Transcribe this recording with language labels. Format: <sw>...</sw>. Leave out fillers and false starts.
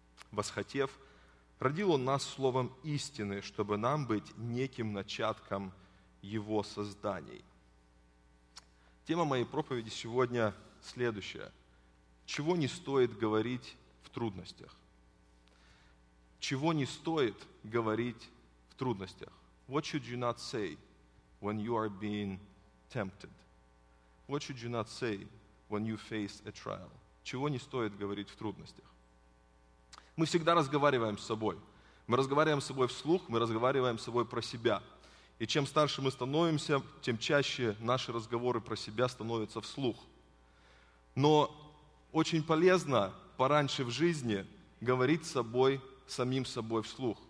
<ru>Восхотев, родил Он нас словом истины, чтобы нам быть неким начатком Его созданий». Тема моей проповеди сегодня следующая. Чего не стоит говорить в трудностях? Чего не стоит говорить в трудностях?</ru> <en>What should you not say when you are being tempted? What should you not say when you face a trial?</en> <ru>Чего не стоит говорить в трудностях? Мы всегда разговариваем с собой. Мы разговариваем с собой вслух, мы разговариваем с собой про себя. И чем старше мы становимся, тем чаще наши разговоры про себя становятся вслух. Но очень полезно пораньше в жизни говорить с собой, самим собой вслух.</ru>